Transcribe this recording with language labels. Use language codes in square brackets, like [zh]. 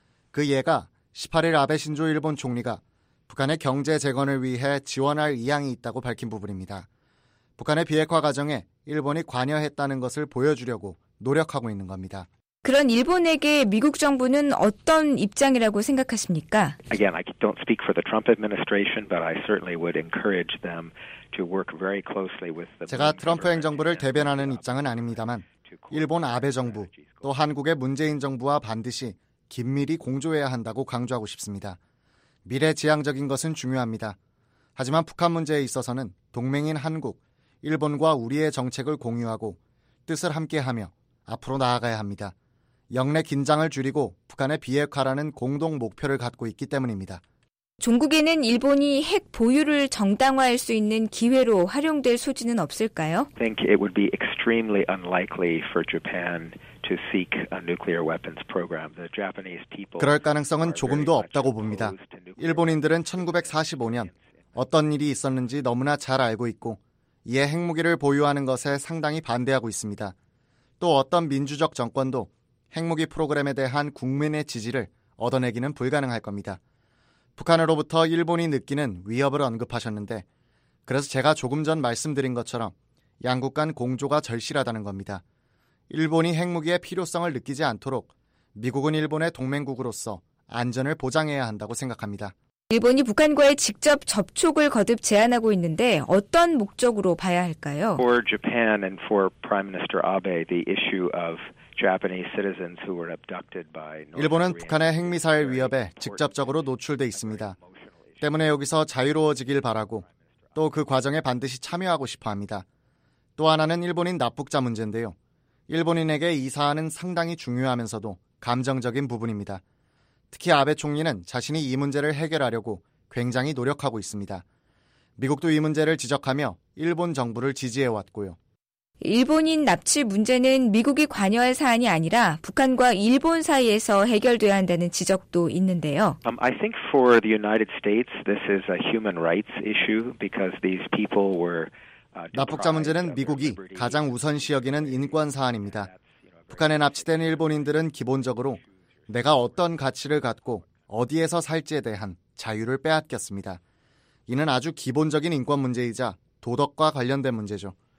[ko] 그 예가 18일 아베 신조 일본 총리가 북한의 경제 재건을 위해 지원할 의향이 있다고 밝힌 부분입니다. 북한의 비핵화 과정에 일본이 관여했다는 것을 보여주려고 노력하고 있는 겁니다. 그런 일본에게 미국 정부는 어떤 입장이라고 생각하십니까? [en] Again, I don't speak for the Trump administration, but I certainly would encourage them to work very closely with the. [ko] 제가 트럼프 행정부를 대변하는 입장은 아닙니다만, 일본 아베 정부 또 한국의 문재인 정부와 반드시 긴밀히 공조해야 한다고 강조하고 싶습니다. 미래 지향적인 것은 중요합니다. 하지만 북한 문제에 있어서는 동맹인 한국, 일본과 우리의 정책을 공유하고 뜻을 함께하며 앞으로 나아가야 합니다. 영내 긴장을 줄이고 북한의 비핵화라는 공동 목표를 갖고 있기 때문입니다. 중국에는 일본이 핵 보유를 정당화할 수 있는 기회로 활용될 소지는 없을까요? [en] I think it would be extremely unlikely for Japan to seek a nuclear weapons program. The Japanese people. [ko] 그럴 가능성은 조금도 없다고 봅니다. 일본인들은 1945년 어떤 일이 있었는지 너무나 잘 알고 있고 이에 핵무기를 보유하는 것에 상당히 반대하고 있습니다. 또 어떤 민주적 정권도 핵무기 프로그램에 대한 국민의 지지를 얻어내기는 불가능할 겁니다. 북한으로부터 일본이 느끼는 위협을 언급하셨는데, 그래서 제가 조금 전 말씀드린 것처럼 양국 간 공조가 절실하다는 겁니다. 일본이 핵무기의 필요성을 느끼지 않도록 미국은 일본의 동맹국으로서 안전을 보장해야 한다고 생각합니다. 일본이 북한과의 직접 접촉을 거듭 제안하고 있는데 어떤 목적으로 봐야 할까요? [en] For Japan and for Prime Minister Abe, the issue of Japanese citizens who were abducted by North Korea. [ko] 일본은 북한의 핵미사일 위협에 직접적으로 노출돼 있습니다. 때문에 여기서 자유로워지길 바라고 또 그 과정에 반드시 참여하고 싶어합니다. 또 하나는 일본인 납북자 문제인데요. 일본인에게 이 사안은 상당히 중요하면서도 감정적인 부분입니다. 특히 아베 총리는 자신이 이 문제를 해결하려고 굉장히 노력하고 있습니다. 미국도 이 문제를 지적하며 일본 정부를 지지해왔고요. 일본인 납치 문제는 미국이 관여할 사안이 아니라 북한과 일본 사이에서 해결돼야 한다는 지적도 있는데요. [en] I think for the United States, this is a human rights issue because these people were [ko] 납북자 문제는 미국이 가장 우선시 여기는 인권 사안입니다. 북한에 납치된 일본인들은 기본적으로 내가 어떤 가치를 갖고 어디에서 살지에 대한 자유를 빼앗겼습니다. 이는 아주 기본적인 인권 문제이자 도덕과 관련된 문제죠.